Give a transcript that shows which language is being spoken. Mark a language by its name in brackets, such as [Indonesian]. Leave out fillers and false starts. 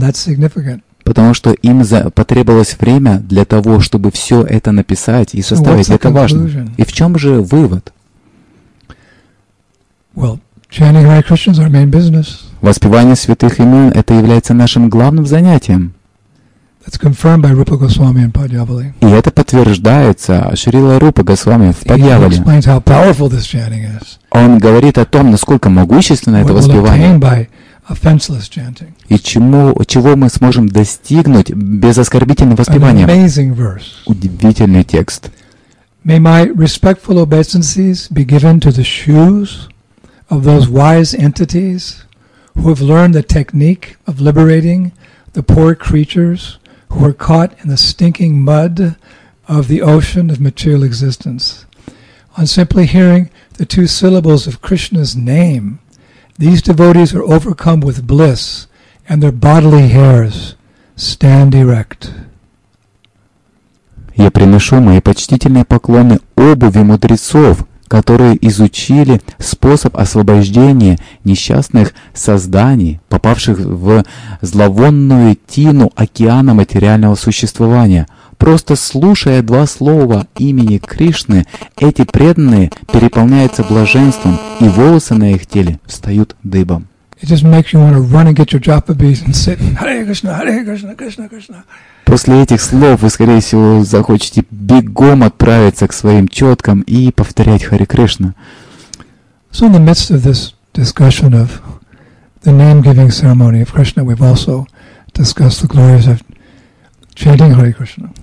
[English] That's significant. [Russian] Потому что им потребовалось время для того, чтобы все это написать и составить. [English] So [Russian] это важно. И в чем же вывод? [English] Well, chanting Hare Krishna is our main business. [Russian] Воспевание святых имен – это является нашим главным занятием. [English] That's confirmed by Rupa Goswami in Padyavali. [Russian] И это подтверждается Шрила Рупа Госвами в Падьявале. [English] He explains how powerful this chanting is. [Russian] Он говорит о том, насколько могущественно это воспевание. [English] What will obtain by offenseless chanting. [Russian] И чего мы сможем достигнуть без оскорбительного воспевания. [English] An amazing verse. [Russian] Удивительный текст. [English] May my respectful obeisances be given to the shoes of those wise entities who have learned the technique of liberating the poor creatures who are caught in the stinking mud of the ocean of material existence. On simply hearing the two syllables of Krishna's name, these devotees are overcome with bliss and their bodily hairs stand erect. [Russian] Я приношу мои почтительные поклоны обуви мудрецов, которые изучили способ освобождения несчастных созданий, попавших в зловонную тину океана материального существования. Просто слушая два слова имени Кришны, эти преданные переполняются блаженством, и волосы на их теле встают дыбом. [English] It just makes you want to run and get your japa beads and sit. Hare Krishna, Hare Krishna, Krishna Krishna. [Russian] После этих слов вы, скорее всего, захочете бегом отправиться к своим четкам и повторять Хари Кришна. [English] So in the midst of this discussion of the name-giving ceremony of Krishna, we've also discussed the glories of chanting Hare Krishna.